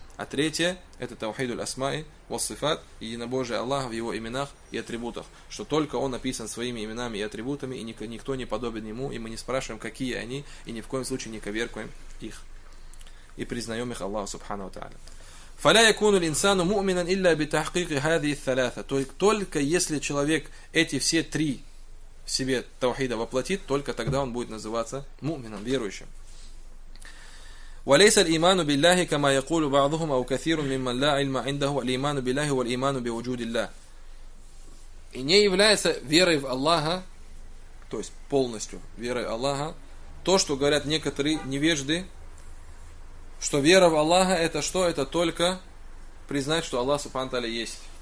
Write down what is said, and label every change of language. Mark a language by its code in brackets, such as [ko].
[ru] А третье, это Тавхид аль-Асмай, вассифат, единобожие Аллаха в Его именах и атрибутах, что только Он описан своими именами и атрибутами, и никто не подобен Ему, и мы не спрашиваем, какие они, и ни в коем случае не коверкуем их, и признаем их Аллаху Субхану Ва Тааля. [ar] Фаля якуну линсану муминан илля би тахкики хадии саляса. [ru] То есть только если человек эти все три в себе Тавхида воплотит, только тогда он будет называться мумином, верующим. [ar] وليس الإيمان بالله كما يقول بعضهم أو كثير ممن لا علم عنده الإيمان بالله والإيمان بوجود الله. [ru] И не является верой в Аллаха, то есть полностью верой в Аллаха, то, что говорят некоторые невежды, что вера в Аллаха это что? Это только признать, что Аллах Субхану Тааля есть.